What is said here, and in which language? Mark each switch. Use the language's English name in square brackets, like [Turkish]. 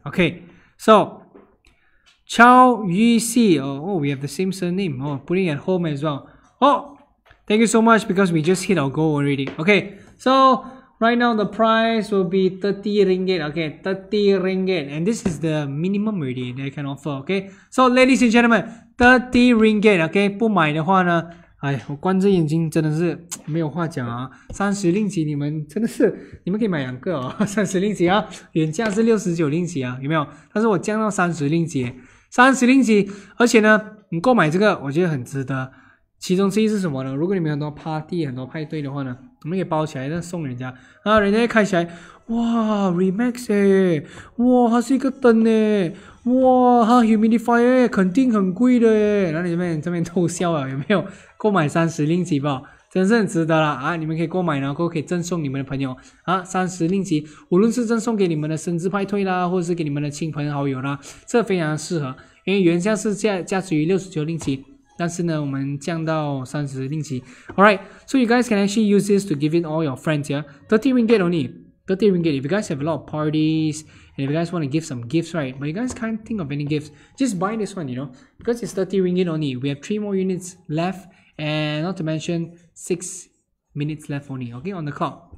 [English] OK, so, Chao Yu Si, we have the same surname, putting at home as well. Thank you so much because we just hit our goal already. Okay, so right now the price will be 30 ringgit. Okay, 30 ringgit. And this is the minimum already they can offer. Okay, so ladies and gentlemen, 30 ringgit. [Chinese] Okay, 不买的话呢，哎，我关着眼睛真的是没有话讲啊。 30令吉你们真的是，你们可以买两个哦。30令吉啊，原价是69令吉啊，有没有？但是我降到30令吉，30令吉，而且呢，你购买这个我觉得很值得。其中之一是什么呢？如果你们很多 party 很多派对的话呢，我们可以包起来再送人家，然后人家一开起来，哇 ，Remax 耶，哇，它是一个灯耶，哇，它 humidifier 肯定很贵的耶，那你这边偷笑了有没有？购买30令吉吧，真是很值得啦啊！你们可以购买，然后可以赠送你们的朋友啊，30令吉，无论是赠送给你们的生日派对啦，或者是给你们的亲朋好友啦，这非常适合，因为原价是价值于69令吉。但是呢，我们降到30令吉。 [English] Alright, so you guys can actually use this to give it all your friends, yeah? 30 ringgit only. 30 ringgit. If you guys have a lot of parties, and if you guys want to give some gifts, right? But you guys can't think of any gifts. Just buy this one, you know? Because it's 30 ringgit only. We have 3 more units left, and not to mention 6 minutes left only, okay? On the clock.